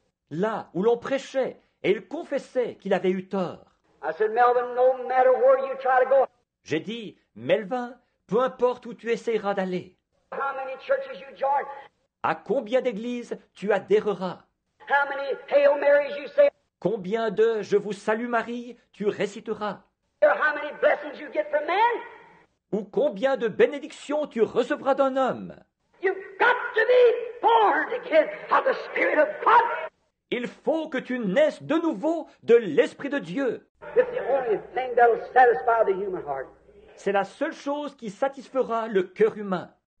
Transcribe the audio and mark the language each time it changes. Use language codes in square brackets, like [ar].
[fr] Là où l'on prêchait et il confessait qu'il avait eu tort. [en] I said, Melvin, no matter where you try to go. [fr] J'ai dit, Melvin, peu importe où tu essaieras d'aller. [en] How many churches you join? [fr] À combien d'églises tu adhéreras? [en] How many Hail Marys you say? [fr] Combien de Je vous salue Marie tu réciteras? [en] care how many blessings you get from man. [fr] Ou combien de bénédictions tu recevras d'un homme. [en] You've got to be born again of the Spirit of God. [fr] Il faut que tu naisses de nouveau de l'Esprit de Dieu. [en] It's the only thing that'll satisfy the human heart. [fr] C'est la seule chose qui satisfera le cœur humain.